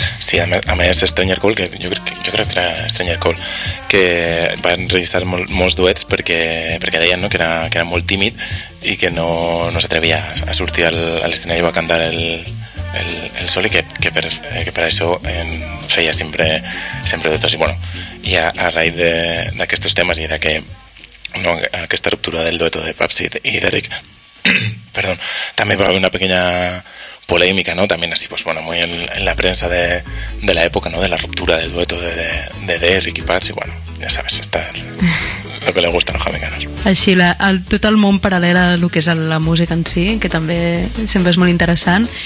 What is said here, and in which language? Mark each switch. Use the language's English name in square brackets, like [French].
[Catalan] Sí, a més Stranger Cole, que jo crec que era Stranger Cole, que va enregistrar molts duets perquè deien, no, que era molt tímid i que no s'atrevia a sortir a l'escenari o a cantar el sol, i que per això feia sempre de tot. I bueno, i a raïs d'aquests temes i d'aquest, no, aquesta ruptura del dueto de Patsy i Derrick, perdó, també va haver una pequeña polèmica, no? [Spanish] También así, pues bueno, muy en la prensa de la época, ¿no? De la ruptura del dueto de Derrick i Patsy. Bueno, ya sabes, está lo que le gusta a los jamaicanos. [Catalan] Així, tot el món paral·lel a lo que és la música en si, que també sempre és molt interessant.